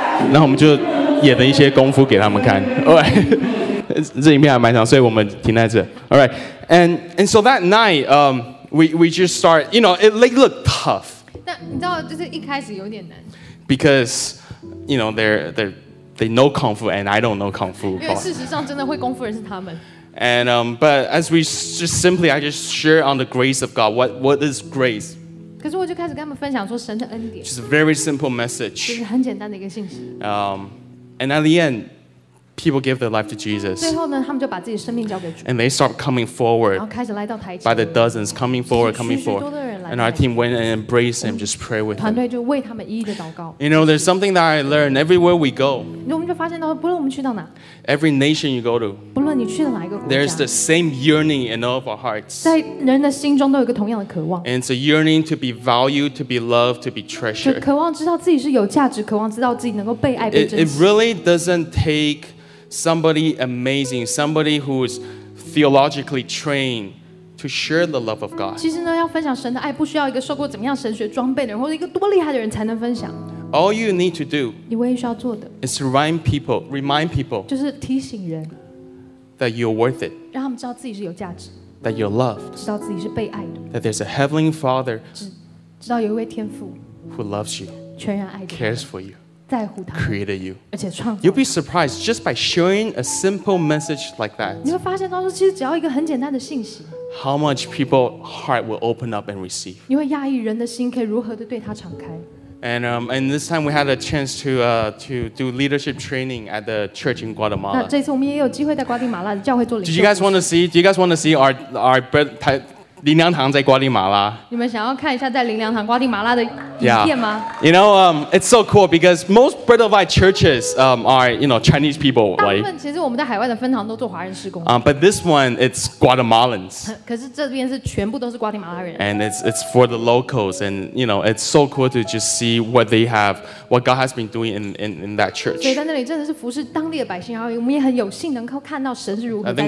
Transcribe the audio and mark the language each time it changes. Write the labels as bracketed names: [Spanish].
[Chinese] 那我们就演了一些功夫给他们看。 [English] All right. [Chinese] 这影片还蛮长，所以我们停在这。 [English] All right. And so that night, we just start, you know, it like looked tough. [Chinese] 那你知道就是一开始有点难。 [English] Because, you know, they know kung fu and I don't know kung fu. [Chinese] 因为事实上真的会功夫的人是他们。 [English] And, but as we just simply, I just share on the grace of God. What is grace? [Chinese] 可是我就开始跟他们分享说神的恩典。 [English] Just a very simple message. [Chinese] 就是很简单的一个信息。 [English] And at the end, people give their life to Jesus. [Chinese] 最后呢，他们就把自己生命交给主。 [English] And they start coming forward. [Chinese] 然后开始来到台前。 [English] By the dozens, coming forward, coming forward. [Chinese] 许许多多人来。 [English] And our team went and embraced him, just pray with him. [Chinese] 团队就为他们一一的祷告。 [English] You know, there's something that I learned everywhere we go. [Chinese] 我们就发现到，不论我们去到哪。 [English] Every nation you go to. [Chinese] 不论你去到哪一个国家。 [English] There's the same yearning in all of our hearts. [Chinese] 在人的心中都有一个同样的渴望。 [English] And it's a yearning to be valued, to be loved, to be treasured. [Chinese] 渴望知道自己是有价值，渴望知道自己能够被爱、被珍惜。 [English] It really doesn't take. Somebody amazing, somebody who is theologically trained to share the love of God. [Chinese] 其实呢，要分享神的爱，不需要一个受过怎么样神学装备的人，或者一个多厉害的人才能分享。 [English] All you need to do, [Chinese] 你唯一需要做的 [English] is to remind people, [Chinese] 就是提醒人 [English] that you're worth it, [Chinese] 让他们知道自己是有价值 [English] that you're loved, [Chinese] 知道自己是被爱的 [English] that there's a heavenly Father, [Chinese] 知道有一位天父 [English] who loves you, [Chinese] 全然爱的 [English] cares for you. [Chinese] 在乎他 [English] created you. [Chinese] 而且创造 [English] You'll be surprised just by sharing a simple message like that. [Chinese] 你会发现当中其实只要一个很简单的信息 [English] How much people's heart will open up and receive. [Chinese] 你会讶异人的心可以如何的对他敞开 [English] And, and this time we had a chance to do leadership training at the church in Guatemala. [Chinese] 那这次我们也有机会在瓜地马拉的教会做领袖 [English] Do you guys want to see our [Chinese] 林良堂在瓜地马拉。你们想要看一下在林良堂瓜地马拉的影片吗 [English] yeah. You know, it's so cool because most Bread of Life churches, are, you know, Chinese people. [Chinese] 大部分其实我们在海外的分堂都做华人事工。 [English] But this one, it's Guatemalans. [Chinese] 可是这边是全部都是瓜地马拉人。 [English] And it's for the locals, and you know, it's so cool to just see what they have, what God has been doing in that church. [Chinese] 所以在那里真的是服侍当地的百姓，然后我们也很有幸能够看到神是如何在那里